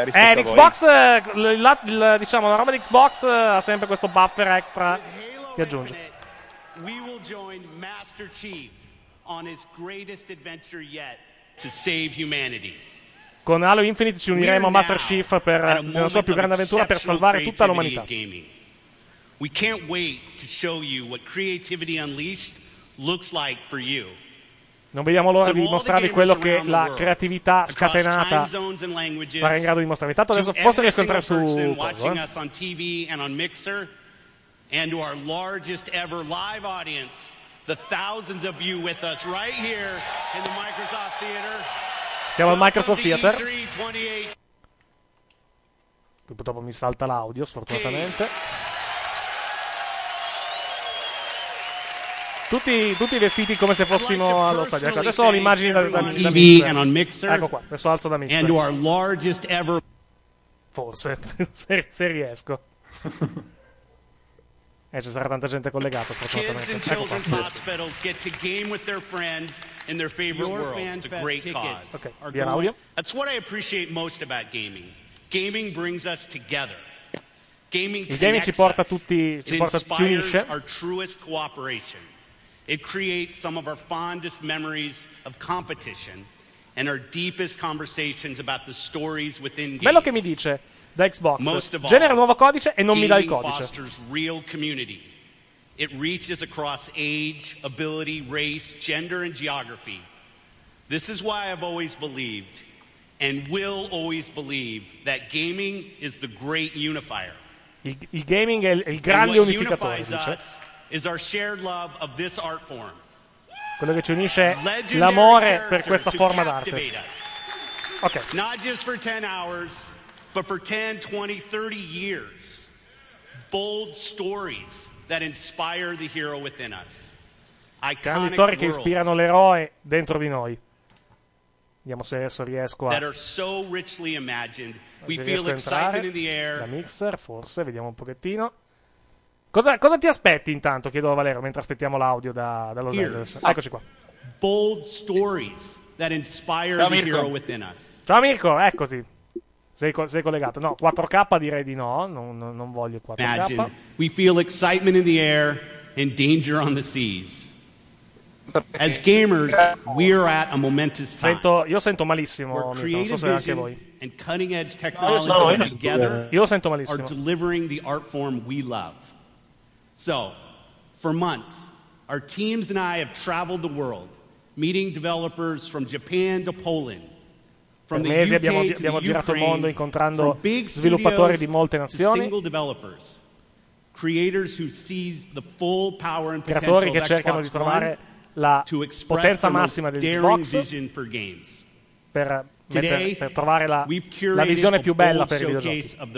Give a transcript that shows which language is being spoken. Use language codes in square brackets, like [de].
[it] Xbox, diciamo, la roba di Xbox ha sempre questo buffer extra che aggiunge. [en] We will join Master Chief on his greatest adventure yet to save humanity. [it] con Halo Infinite ci uniremo a Master Chief per la sua più grande avventura per salvare tutta l'umanità. [en] We can't wait to show you what creativity unleashed looks like for you. [it] Non vediamo l'ora di mostrarvi quello che la creatività scatenata sarà in grado di mostrarvi. Intanto adesso forse riesco a entrare su [en] TV and on Mixer and to our largest ever live audience, the thousands of you with us right here in the Microsoft Theater. [it] Siamo al Microsoft Theater. Purtroppo mi salta l'audio, sfortunatamente. Tutti vestiti come se fossimo allo stadio. Ecco, adesso ho l'immagine da [en] TV and on Mixer. [it] Ecco qua, adesso alzo da Mixer. [en] And to our largest ever. [it] Forse, se riesco. ci sarà tanta gente collegata, fortunatamente. Ecco qua. Ok, via l'audio. [en] That's what I appreciate most about gaming. Gaming brings us together. [it] Il gaming ci porta tutti, ci unisce. [en] Our truest cooperation. It creates some of our fondest memories of competition and our deepest conversations about the stories within games. [it] Bello che mi dice da Xbox. Genera un nuovo codice e non mi dà il codice. [en] Gaming fosters real community. It reaches across age, ability, race, gender and geography. This is why I've always believed and will always believe that gaming is the great unifier. [it] Il gaming è il grande unificatore, dice. [en] Is our shared love of this art form. [it] Quello che ci unisce è l'amore per questa forma d'arte. Ok. [en] Not just for 10 hours, but for 10, 20, 30 years. Bold stories that inspire the hero within us. [it] Grandi storie che ispirano l'eroe dentro di noi. Vediamo se adesso riesco a. [en] That are so richly imagined. We feel excitement in the air. [it] Da Mixer, forse, vediamo un pochettino. Cosa ti aspetti intanto, chiedo a Valero, mentre aspettiamo l'audio da Los Angeles. Eccoci qua. [en] Bold stories that inspire the hero within us. [it] Ciao Mirko, eccoti. Sei collegato. No, 4K direi di no, non voglio 4K. [en] Imagine. We feel excitement in the air and danger on the seas. As gamers, we are at a momentous time. [it] Io sento malissimo, Mirko, non so se anche voi. [en] And cutting edge technology together. [it] Io sento malissimo. [en] Are delivering the art form we love. So, for months, our teams and I have traveled the world, meeting developers from Japan to Poland, from the UK to the Ukraine, [it] incontrando sviluppatori di molte nazioni, [en] single developers, creators who seize the full power and potential of Xbox One to express the most daring vision for games. [it] Per trovare la visione più bella per i videogiochi.